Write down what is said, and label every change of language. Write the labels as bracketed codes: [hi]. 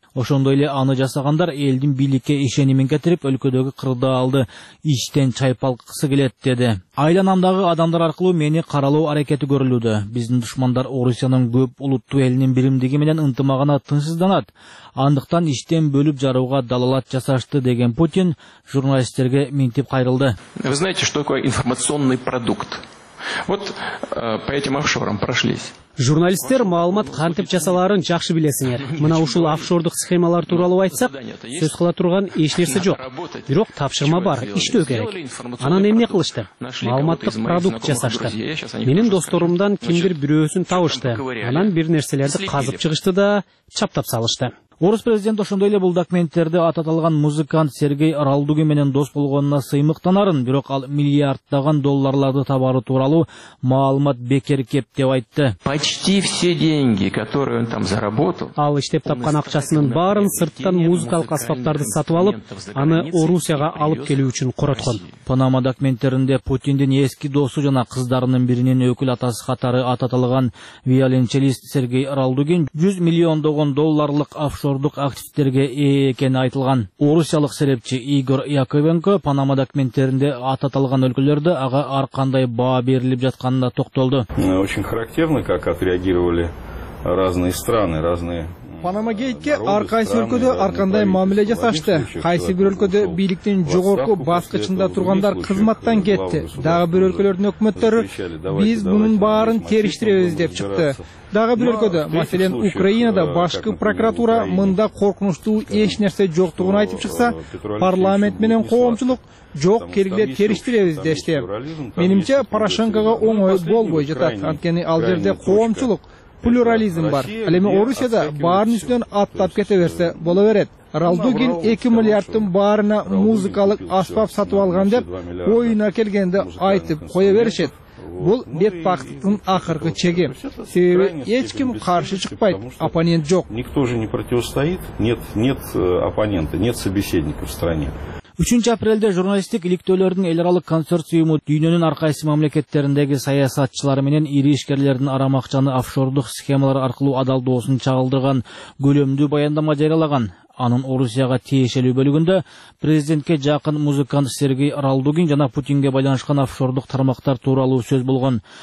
[ky] Ошондой эле аны жасагандар элдин бийликке ишенимин кетирип, өлкөдөгү кырдаалды иштен чайпалткысы келет деди. Айланамдагы адамдар аркылуу мени каралоо аракети көрүлүүдө. Биздин душмандар Орусиянын көп улуттуу элинин биримдиги менен ынтымагына тынчсызданат. Андыктан иштен бөлүп жарууга далалат жасашты деген Путин журналисттерге минтип кайрылды. [ru] Вы знаете, что такое информационный продукт? Вот по этим офшорам прошлись. [ky] Журналисттер маалымат кантип жасаларын жакшы билесиңер. Мына ушул офшордук схемалар тууралуу айтсак, сөз кыла турган эч нерсе жок. Бирок тапшырма бар, иштөө керек. Анан эмне кылышты? Маалыматтык продукт жасашты. Менин досторумдан кимдир бирөөсүн табышты. Анан бир нерселерди казып чыгышты да чаптап салышты. Орус президент ошондой эле бул документтерди аталган музыкант Сергей Ралдугин менен дос болгонуна сыймыктанарын, бирок ал миллиарддаган долларларды табары тууралуу маалымат бекер кеп деп айтты. [ru] Почти все деньги, которые он там заработал. [ky] Ал иштеп тапкан акчасынын баарын сырттан музыкалык аспаптарды сатып алып, аны Орусияга алып келүү үчүн короткон. Панама документтеринде Путиндин эски досу жана кыздарынын биринин өкүл атасы катары аталган виолончелист Сергей Ралдугин 100 миллиондогон долларлык офшор офшордук активдерге ээ экени айтылган. Орусиялык серепчи Игорь Яковенко Панама документтеринде аталган өлкөлөрдө ага ар кандай баа берилип жатканына токтолду. [ru] Очень характерно, как отреагировали разные страны, разные [ky] Панама гейтке ар кайсы өлкөдө ар кандай мамиле жасашты. Кайсы бир өлкөдө бийликтин жогорку баскычында тургандар кызматтан кетти. Дагы бир өлкөлөрдүн өкмөттөрү биз мунун баарын териштиребиз деп чыкты. Дагы бир өлкөдө, маселен Украинада башкы прокуратура мында коркунучтуу эч нерсе жоктугун айтып чыкса, парламент менен коомчулук жок келгиле териштиребиз дешти. Менимче Порошенкого оңой болбой жатат, анткени ал жерде коомчулук плюрализм бар. Ал эми Орусияда баарын үстүнөн аттап кете берсе боло берет. Ралдугин 2 миллиардтын баарына музыкалык аспап сатып алган деп оюна келгенде айтып кое беришет. Бул бетбактын акыркы чеги. Себеби эч ким каршы чыкпайт, оппонент жок. [ru] Никто же не противостоит, нет оппонента, нет собеседника в стране. [ky] 3 апрелде журналисттик иликтөөлөрдүн эл аралык консорциуму дүйнөнүн ар кайсы мамлекеттериндеги саясатчылары менен ири ишкерлердин арам акчаны офшордук схемалар аркылуу адалдоосун чагылдырган көлөмдүү баяндама жарыялаган. Анын Орусияга тиешелүү бөлүгүндө президентке жакын музыкант Сергей Ралдугин жана Путинге байланышкан офшордук тармактар тууралуу сөз болгон.